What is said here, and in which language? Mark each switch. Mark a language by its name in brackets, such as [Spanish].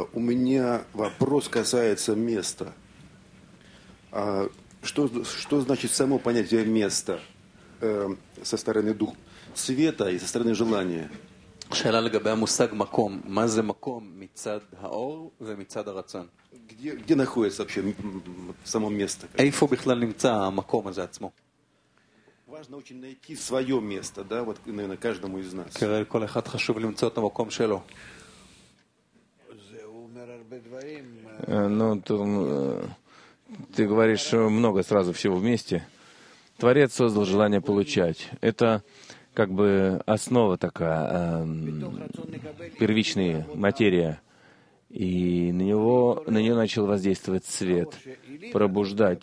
[Russian] У меня вопрос касается места. А что значит само понятие места со стороны дух света и со стороны желания? [Hebrew] שאלה לגבי המושג מקום. מה זה מקום מצד האור ומצד הרצון? [Russian] Где находится вообще само место? [Hebrew] איפה בכלל נמצא המקום הזה עצמו? [Russian] Важно очень найти свое место, да, вот, наверное, каждому из нас. [Hebrew] כרגע כל אחד חשוב למצוא את המקום שלו. זה אומר הרבה דברים. [Russian] Ну, ты говоришь много сразу всего вместе. Творец создал желание получать. Это как бы основа такая, первичная материя. И на нее начал воздействовать свет, пробуждать.